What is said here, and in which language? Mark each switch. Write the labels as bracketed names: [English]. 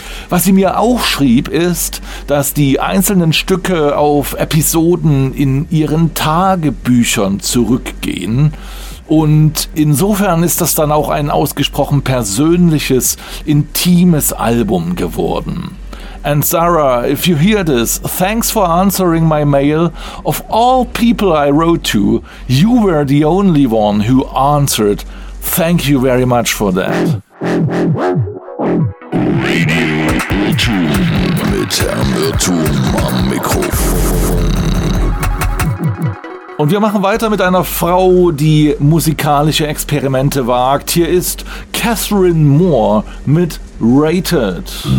[German] Was sie mir auch schrieb, ist, dass die einzelnen Stücke auf Episoden in ihren Tagebüchern zurückgehen. Und insofern ist das dann auch ein ausgesprochen persönliches, intimes Album geworden. [English] And Sarah, if you hear this, thanks for answering my mail. Of all people I wrote to, you were the only one who answered. Thank you very much for that. [German] Radio YouTube mit Herrn Irrtum am Mikrofon. Und wir machen weiter mit einer Frau, die musikalische Experimente wagt. Hier ist Catherine Moore mit Rated.